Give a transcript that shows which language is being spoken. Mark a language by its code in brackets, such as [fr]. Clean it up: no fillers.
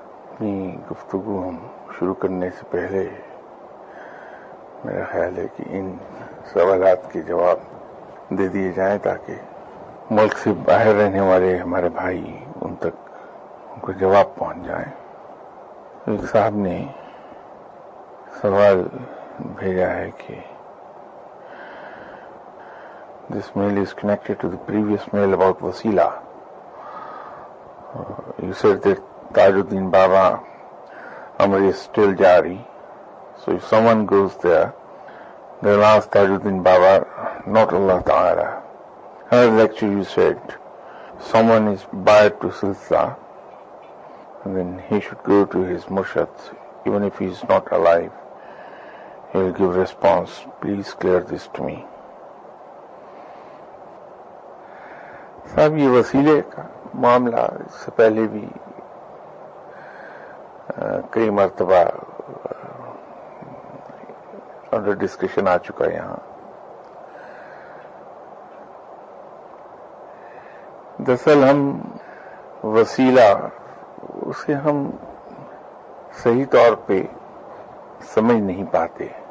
[ur] اپنی گفتگو ہم شروع کرنے سے پہلے میرا خیال ہے کہ ان سوالات کے جواب دے دیے جائیں تاکہ ملک سے باہر رہنے والے ہمارے بھائی ان تک ان کو جواب پہنچ جائیں. ایک صاحب نے سوال بھیجا ہے کہ [en] this mail is connected to the previous mail about Wasila. You said that Tajuddin Baba Amri is still jari. So if someone goes there, they'll ask Tajuddin Baba, not Allah Ta'ala. Another lecture you said, someone is barred to Silsa, and then he should go to his Murshid, even if he's not alive. He'll give response, please clear this to me. [ur] صاحب یہ وسیلے کا معاملہ اس سے پہلے بھی کئی مرتبہ انڈر ڈسکشن آ چکا ہے. یہاں دراصل ہم وسیلہ اسے ہم صحیح طور پہ سمجھ نہیں پاتے.